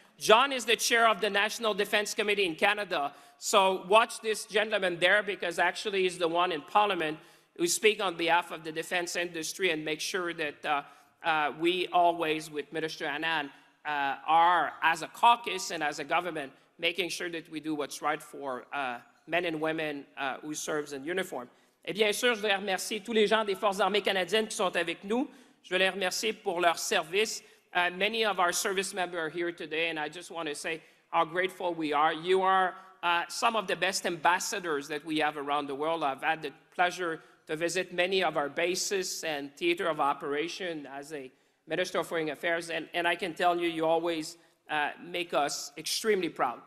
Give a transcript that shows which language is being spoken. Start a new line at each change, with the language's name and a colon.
English: John is the chair of the National Defense Committee in Canada. So watch this gentleman there, because actually he's the one in Parliament who speak on behalf of the defense industry and make sure that we always, with Minister Annan, are, as a caucus and as a government, making sure that we do what's right for men and women who serve in uniform.
French: Et bien sûr, je voudrais remercier tous les gens des Forces armées canadiennes qui sont avec nous. Je veux les remercier pour leur service.
English: Many of our service members are here today, and I just want to say how grateful we are. You are some of the best ambassadors that we have around the world. I've had the pleasure to visit many of our bases and theater of operation as a Minister of Foreign Affairs, and I can tell you, you always make us extremely proud.